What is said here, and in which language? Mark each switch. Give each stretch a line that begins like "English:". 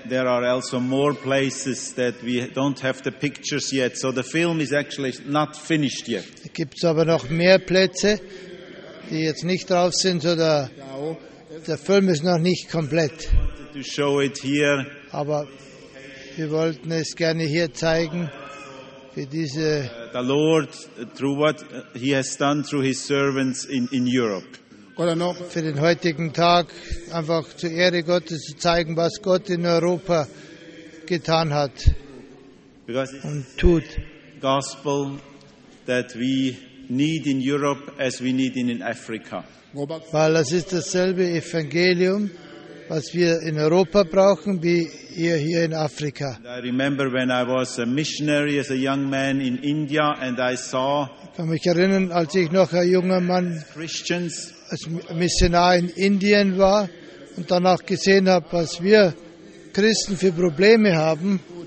English: there are also more places that we don't have the pictures yet, so the film is actually not finished yet.
German: Gibt's aber noch mehr Plätze, die jetzt nicht drauf sind, oder der Film ist noch nicht komplett.
English: To show it here.
German: Aber wir wollten es gerne hier zeigen. Für diese
English: the Lord, through what he has done through his servants in Europe.
German: Für den heutigen Tag einfach zur Ehre Gottes zu zeigen, was Gott in Europa getan hat und tut.
English: Gospel that we need in Europe as we need in Africa.
German: Weil das ist dasselbe Evangelium, was wir in Europa brauchen, wie ihr hier in Afrika.
English: I remember when I was a missionary as a young man in India and I saw.
German: Ich kann mich erinnern, als ich noch ein junger Mann
English: Christians
German: als Missionar in Indien war und danach gesehen habe, was wir Christen für Probleme haben.